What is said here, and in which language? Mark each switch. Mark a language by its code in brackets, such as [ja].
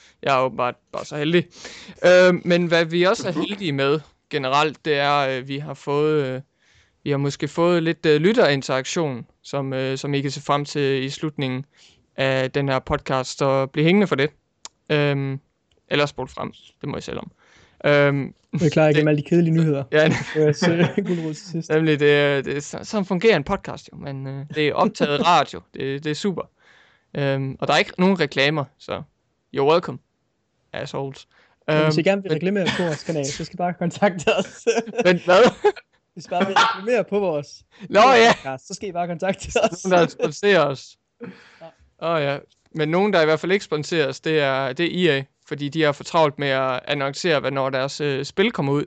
[da] Jeg er åbenbart bare så heldig. Men hvad vi også er heldige med generelt, det er, vi har måske fået lidt lytterinteraktion, som I kan se frem til i slutningen af den her podcast, og blive hængende for det. Eller spurgt frem, det må I selv om. Vi er klar igennem alle de kedelige nyheder. Ja, guldrød til sidst. Sådan fungerer en podcast jo. Men det er optaget radio. Det er super. Og der er ikke nogen reklamer. Så [en] you're welcome, assholes. [da] Hvis I gerne vil reklamere på vores kanal, så skal I bare kontakte os. Men hvad? Hvis I bare vil reklamere på vores podcast, så skal I bare kontakte os. Nogen der sponserer os. Men nogen der i hvert fald ikke sponserer os, det er EA, fordi de er for travlt med at annoncere, hvornår deres spil kommer ud.